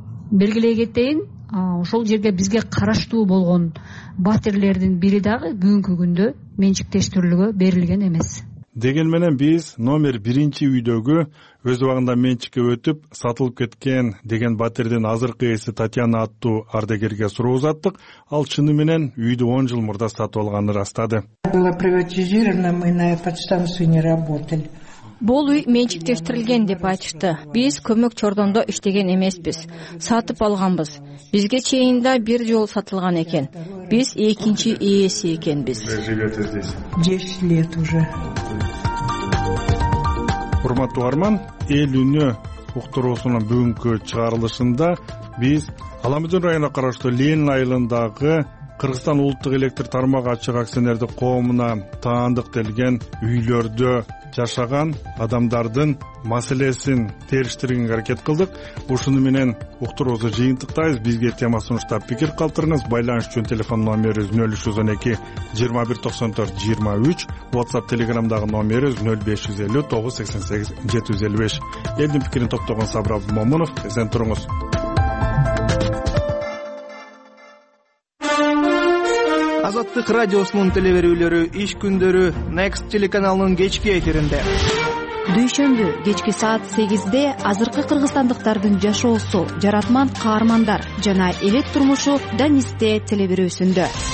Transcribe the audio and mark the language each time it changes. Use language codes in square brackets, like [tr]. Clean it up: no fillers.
[ky] Белгилей кетейин, ошол жерге бизге караштуу болгон батирлердин бири дагы бүгүнкү күндө менчиктештирүүлүгө берилген эмес. Деген менен биз номер биринчи үйдөгү өз убагында менчикке өтүп сатылып кеткен деген батирдин азыркы ээси Татьяна аттуу ардыгерге суроо узаттык. Ал чыны менен үйдү 10 жыл мурда сатып алганын ырастады. [ru] Было приватизировано, мы на подстанции не работали. [ky] Бул үй менчиктештирилген деп айтышты. Биз көмөк чордондо иштеген эмеспиз. Сатып алганбыз. Бизге чейин да бир жол сатылган экен. Биз экинчи ээси экенбиз. [ru] 10 лет уже. [ky] Урматтуу арман, эл үнү уктуруусунун бүгүнкү чыгарылышында биз Аламүдүн районуна караштуу Ленин айылындагы Кыргызстан улуттук электр тармагы ачык акционердик коомуна таандык делген үйлөрдө жашаган адамдардын маселесин териштиргенге аракет кылдык. Ушуну менен уктуруубузду жыйынтыктайбыз. Бизге тема сунуштап пикир калтырыңыз. Байланыш үчүн телефон номерибиз 0312-2194-23, WhatsApp Telegramдагы номерибиз 0550-988-755. Элдин пикирин топтогон Сабрабов Момунов, эсен туруңуз. Азаттык радиосунун теле берүүлөрү иш күндөрү Next телеканалынын кечки эфиринде. Дүйшөмбү кечки саат 8:00 азыркы кыргызстандыктардын жашоосу, жаратман каармандар жана элет турмушу Данисте теле берүүсүндө.